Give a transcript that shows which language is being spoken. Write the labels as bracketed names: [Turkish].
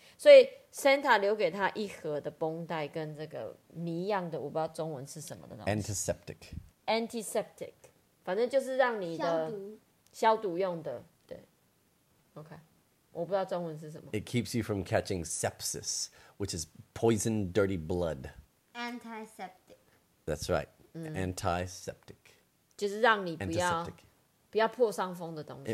[Chinese] 所以 Santa 留给他一盒的绷带跟这个谜样的，我不知道中文是什么的东西. [English] Antiseptic. Antiseptic. [Chinese] 反正就是让你的消毒用的，对。OK， 我不知道中文是什么。 [English] It keeps you from catching sepsis, which is poison, dirty blood. Antiseptic. That's right. Antiseptic. [Chinese] 就是让你不要破伤风的东西。